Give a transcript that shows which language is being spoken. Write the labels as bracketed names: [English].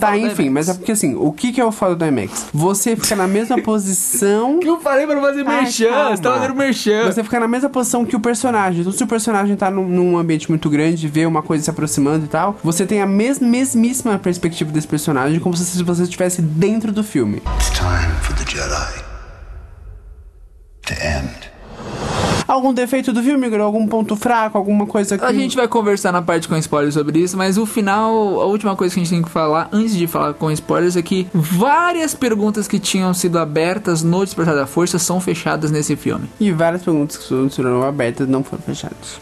[Portuguese] tá, enfim, mas é porque assim, o que que é o foda do IMAX? Você fica na mesma posição... Que eu falei pra não fazer merchan, você tava fazendo merchan. Você fica na mesma posição que o personagem. Então, se o personagem tá num ambiente muito grande, vê uma coisa se aproximando e tal, você tem a mesmíssima perspectiva desse personagem, como se você estivesse dentro do filme. [English] It's time for the Jedi to end. [Portuguese] Algum defeito do filme, Igor? Algum ponto fraco? Alguma coisa que... A gente vai conversar na parte com spoilers sobre isso, mas o final, a última coisa que a gente tem que falar, antes de falar com spoilers, é que várias perguntas que tinham sido abertas no Despertar da Força são fechadas nesse filme. E várias perguntas que foram abertas não foram fechadas.